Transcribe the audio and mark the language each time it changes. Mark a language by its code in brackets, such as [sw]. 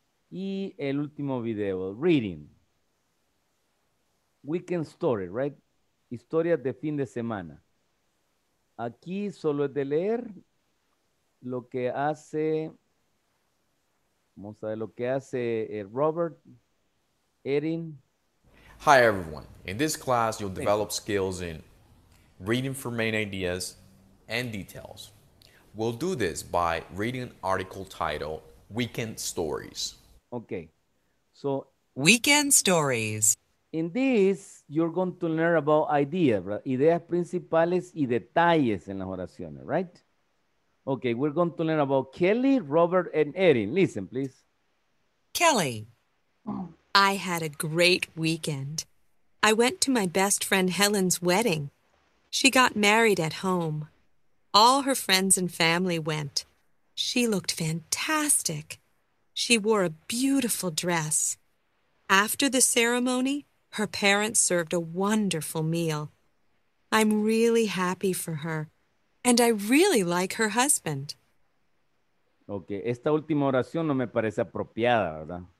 [es] Y el último video, [en] reading. Weekend story, right? [es] Historias de fin de semana. Aquí solo es de leer lo que hace, vamos a ver lo que hace Robert, Erin. [en] Hi everyone, in this class you'll develop skills in reading for main ideas and details. We'll do this by reading an article titled Weekend Stories. Okay, so Weekend Stories. In this, you're going to learn about ideas, right? [es] Ideas principales y detalles en las oraciones, right? [en] Okay, we're going to learn about Kelly, Robert, and Erin. Listen, please. Kelly, I had a great weekend. I went to my best friend Helen's wedding. She got married at home. All her friends and family went. She looked fantastic. She wore a beautiful dress. After the ceremony, her parents served a wonderful meal. I'm really happy for her, and I really like her husband. [es] Okay, esta última oración no me parece apropiada, ¿verdad?